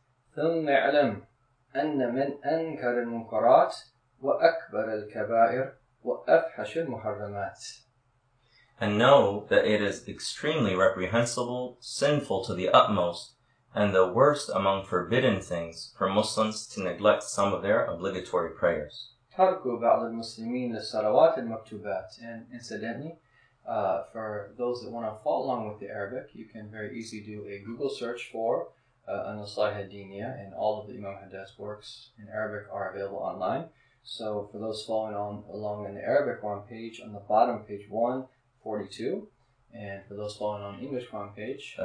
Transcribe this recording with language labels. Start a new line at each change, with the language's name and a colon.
Arabic: ثم اعلم أن من أنكر المنكرات وأكبر الكبائر وأفحش المحرمات.
English: And know that it is extremely reprehensible, sinful to the utmost, and the worst among forbidden things for Muslims to neglect some of their obligatory prayers.
Arabic: ترك بعض المسلمين للصلوات المكتوبات.
English: And incidentally, for those that want to follow along with the Arabic, you can very easily do a Google search for An-Nasaih al-Diniyah, and all of the Imam Haddad's works in Arabic are available online. So for those following on along in the Arabic Quran page, on the bottom, page 142, and for those following on English Quran page